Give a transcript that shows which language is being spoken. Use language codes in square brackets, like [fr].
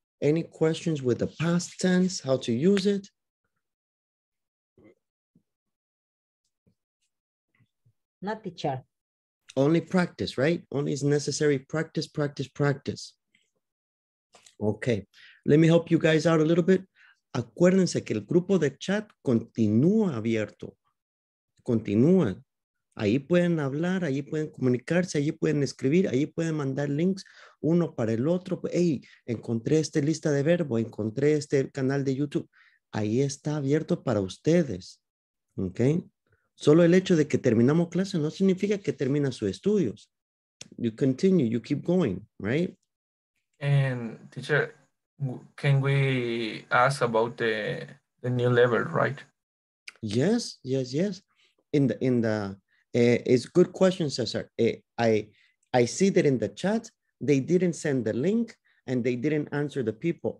[en] Any questions with the past tense, how to use it? Not teacher. Only practice, right? Only is necessary practice, practice, practice. Okay. Let me help you guys out a little bit. [es] Acuérdense que el grupo de chat continúa abierto. Continúa. Ahí pueden hablar, ahí pueden comunicarse, ahí pueden escribir, ahí pueden mandar links uno para el otro. Hey, encontré esta lista de verbo, encontré este canal de YouTube. Ahí está abierto para ustedes. Okay. Solo el hecho de que terminamos clase no significa que termina sus estudios. [en] You continue, you keep going, right? And teacher, can we ask about the new level, right? Yes, yes, yes. It's a good question, Cesar. I see that in the chat, they didn't send the link and they didn't answer the people.